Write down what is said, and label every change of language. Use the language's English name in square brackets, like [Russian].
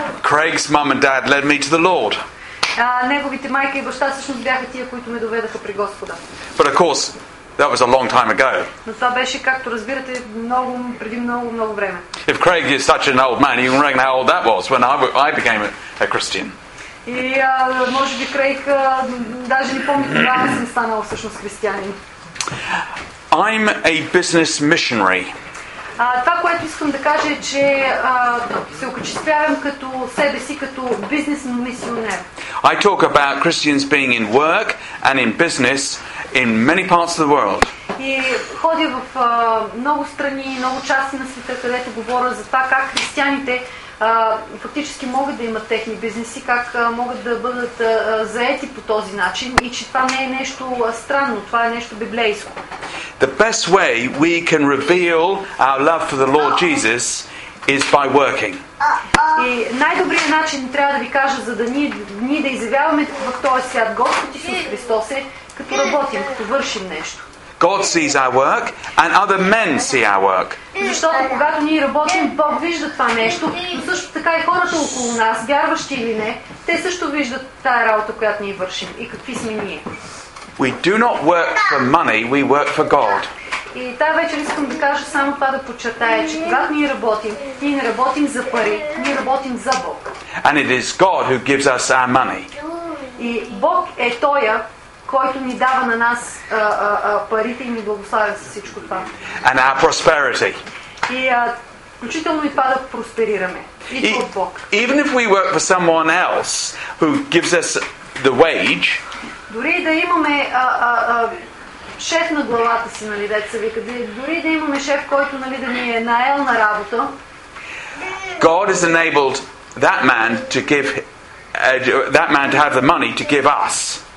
[English] Craig's mum and dad led me to the Lord. [Bulgarian] Неговите майка и баща всъщност бяха тия, които ме доведаха при Господа. [English] But of course, that was a long time ago. [Bulgarian] Но това беше, както разбирате, много преди много много време. [English] If Craig is such an old man, you can reckon how old that was when I became a Christian. [Bulgarian] И може би Craig даже не помни кога съм станал всъщност християнин. [English] I'm a business missionary. [Bulgarian] Това, което искам да кажа, е, че се окачествявам като себе си, като бизнес мисионер. [English] I talk about Christians being in work and in business in many parts of the world. [Bulgarian] И ходя в много страни, много части на света, където говоря за това как християните фактически могат да имат техни бизнеси, как могат да бъдат заети по този начин и че това не е нещо странно, това е нещо библейско. [English] The best way we can reveal our love for the Lord Jesus is by working. [Bulgarian] И най-добрият начин трябва да ви кажа, за да ние да изявяваме в този свят Господ Исус Христос е като работим, като вършим нещо. [English] God sees our work and other men see our work. [Bulgarian] Защото когато ние работим, Бог вижда това нещо, но също така и хората около нас, вярващи или не, те също виждат тая работа, която ние вършим и какви сме ние. [English] We do not work for money, we work for God. [Bulgarian] И тази вечер искам да кажа само това да подчертая, че когато ние работим, ние не работим за пари, ние работим за Бог. [English] And it is God who gives us our money. [Bulgarian] И Бог е тоя, който ни дава на нас парите и ни благославя за всичко това. [English] And our prosperity. [Bulgarian] И включително и това да просперираме. И от Бог. [English] Even if we work for someone else who gives us the wage, [Bulgarian] дори да имаме шеф на главата си, нали, деца вика, дори да имаме шеф, който, нали, да ни е наел на работа, [English] God has enabled that man to give that man to have the money to give us.